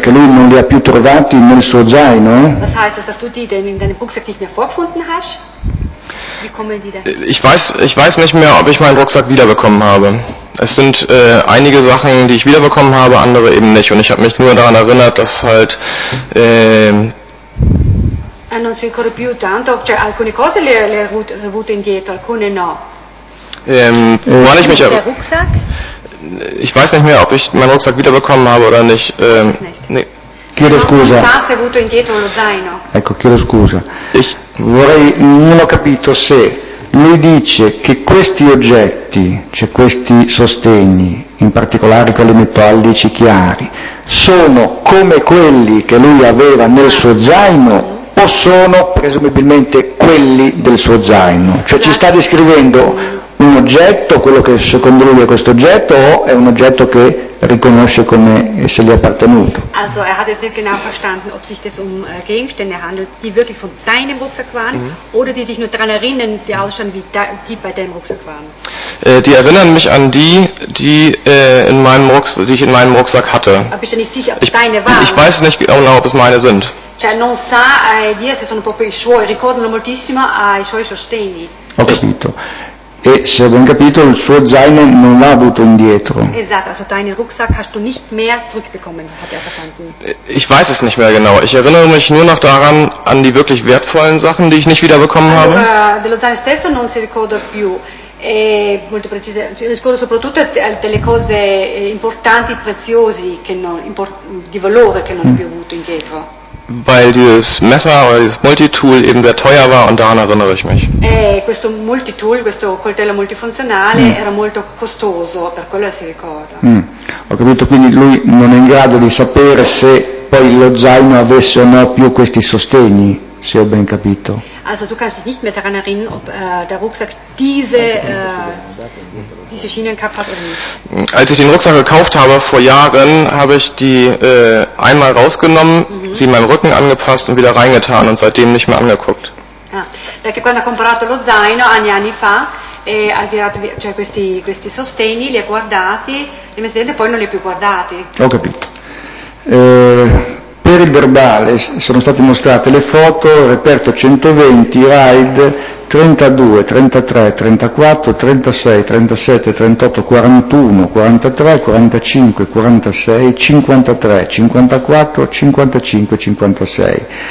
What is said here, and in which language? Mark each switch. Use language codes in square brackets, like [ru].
[it] Che lui non li ha più trovati nel suo zaino? [de] Was heißt, dass du die denn in deinem Rucksack nicht mehr vorgefunden hast? Ich weiß nicht mehr, ob ich meinen Rucksack wiederbekommen habe. Es sind einige Sachen, die ich wiederbekommen habe, andere eben nicht. Und ich habe mich nur daran erinnert, dass halt... [it] non si ricorda più tanto, cioè alcune cose le ho avute indietro, alcune no. [de] Woran ich mich erinnere? Rucksack? Ich weiß nicht mehr, ob ich meinen Rucksack wiederbekommen habe oder nicht. [it] Chiedo scusa. Non so se ho avuto indietro lo zaino. Ecco, chiedo scusa. Non ho capito se lui dice che questi oggetti, cioè questi sostegni, in particolare quelli metallici chiari, sono come quelli che lui aveva nel suo zaino o sono presumibilmente quelli del suo zaino? Cioè ci sta descrivendo un oggetto, quello che secondo lui è questo oggetto, o è un oggetto che riconosce come se gli è appartenuto? [de] Also er hat es nicht genau verstanden, ob sich das Gegenstände handelt, die wirklich von deinem Rucksack waren, oder die dich nur daran erinnern, die ausschauen wie die bei deinem Rucksack waren. Die erinnern mich an die in meinem Rucksack, die ich in meinem Rucksack hatte. Aber bist du nicht sicher, ob es deine waren? Ich weiß nicht genau, ob es meine sind. [it] Cioè non sa dire se sono proprio i suoi, ricordano moltissimo ai suoi sostegni. Ho capito. E se ho ben capito, il suo zaino non l'ha avuto indietro. Esatto, [de] also deinen Rucksack hast du nicht mehr zurückbekommen, hat er verstanden. Ich weiß es nicht mehr genau. Ich erinnere mich nur noch daran, an die wirklich wertvollen Sachen, die ich nicht wiederbekommen habe. [it] Allora, dello zaino stesso non si ricorda più. È molto precise. Si ricorda soprattutto delle cose importanti, preziosi, di valore che non ha più avuto indietro. [de] Weil dieses Messer oder dieses Multitool eben sehr teuer war und daran erinnere ich mich. [it] Questo Multitool, questo coltello multifunzionale era molto costoso, per quello si ricorda. Ho capito, quindi lui non è in grado di sapere se poi lo zaino avesse o no più questi sostegni, se ho ben capito. [de] Also du kannst dich nicht mehr daran erinnern, ob der Rucksack diese Schienen gehabt hat oder nicht. Als ich den Rucksack gekauft habe vor Jahren, habe ich die einmal rausgenommen, sie in meinen Rücken angepasst und wieder reingetan und seitdem nicht mehr angeguckt. [it] Perché quando ha comprato lo zaino anni fa e ha tirato cioè questi sostegni, li ha guardati, li ha messi dentro e poi non li ha più guardati. Ho capito. Per il verbale sono state mostrate le foto, reperto 120, RAID 32, 33, 34, 36, 37, 38, 41, 43, 45, 46, 53, 54, 55, 56.